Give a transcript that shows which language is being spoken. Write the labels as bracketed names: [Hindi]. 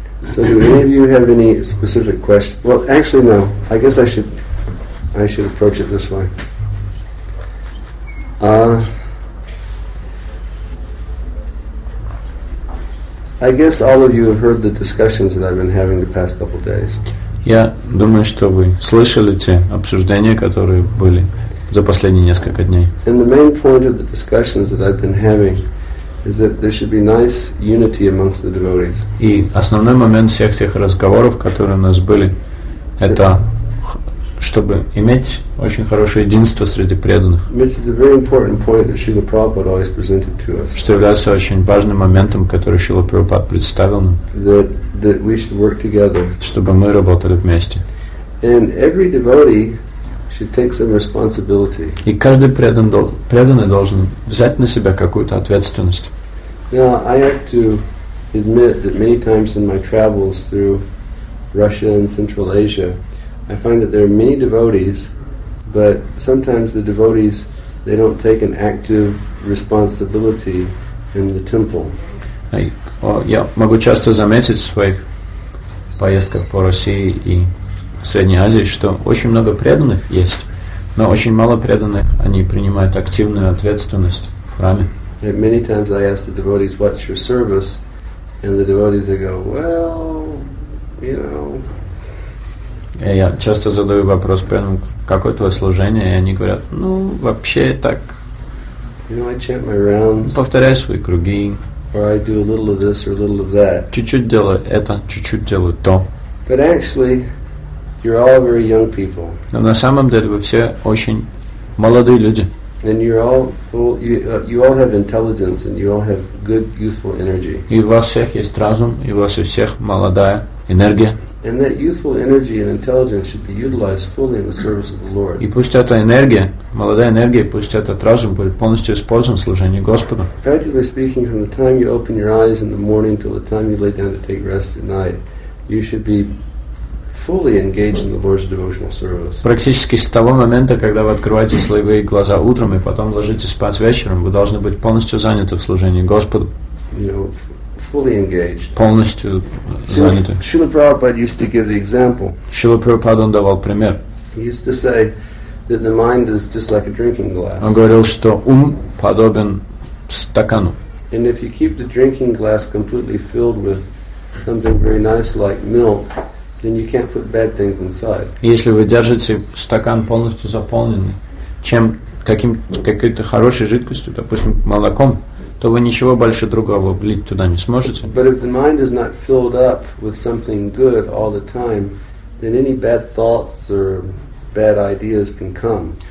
[English] So do any of you have any specific questions? Well, actually, no. I guess I should approach it this way. I guess all of you have heard the discussions that I've been having the past couple of days. [Russian] Я думаю, что вы слышали те обсуждения, которые были за последние несколько дней. [English] And the main point of the discussions that I've been having is that there should be nice unity amongst the devotees. [Russian] И основной момент всех тех разговоров, которые у нас были, это чтобы иметь очень хорошее единство среди преданных. [English] Which is a very important point that Srila Prabhupada always presented to us. [Russian] Что является очень важным моментом, который Шрила Прабхупад представил нам. [English] That we should work together. [Russian] Чтобы мы работали вместе. [English] And every devotee should take some responsibility. [Russian] И каждый преданный должен взять на себя какую-то ответственность. [English] Now, I have to admit that many times in my travels through Russia and Central Asia, I find that there are many devotees, but sometimes the devotees, they don't take an active responsibility in the temple. [Russian] Я могу часто заметить в своих поездках по России и Средней Азии, что очень много преданных есть, но очень мало преданных, они принимают активную ответственность в храме. [English] And many times I ask the devotees, what's your service? And the devotees, they go, well, you know. [Russian] Я часто задаю вопрос преданным, какое твое служение, и они говорят, ну, вообще так. [English] You know, I chant my rounds. [Russian] Повторяю свои круги. [English] Or I do a little of this or a little of that. [Russian] Чуть-чуть делаю это, чуть-чуть делаю то. [English] But actually, you're all very young people. [Russian] Но на самом деле вы все очень молодые люди. [English] And you're all full. You all have intelligence, and you all have good youthful energy. [Russian] И у вас всех есть разум, и у вас у всех молодая энергия. [English] And that youthful energy and intelligence should be utilized fully in the service of the Lord. [Russian] И пусть эта энергия, молодая энергия, пусть этот разум будет полностью использован в служении Господу. [English] Practically speaking, from the time you open your eyes in the morning till the time you lay down to take rest at night, you should be fully engaged in the Lord's devotional service. [Russian] Практически с того момента, когда вы открываете свои глаза утром и потом ложитесь спать вечером, вы должны быть полностью заняты в служении Господу. [English] Fully engaged. [Russian] Полностью заняты. [English] Srila Prabhupada used to give the example. [Russian] Srila Prabhupada давал пример. [English] He used to say that the mind is just like a drinking glass. [Russian] Он говорил, что ум подобен стакану. [English] And if you keep the drinking glass completely filled with something very nice like milk, then you can't put bad things inside. [Russian] Если вы держите стакан полностью заполненный какой-то хорошей жидкостью, допустим, молоком, то вы ничего больше другого влить туда не сможете. [English] But if the mind is not filled up with something good all the time, then any bad thoughts or bad ideas can come.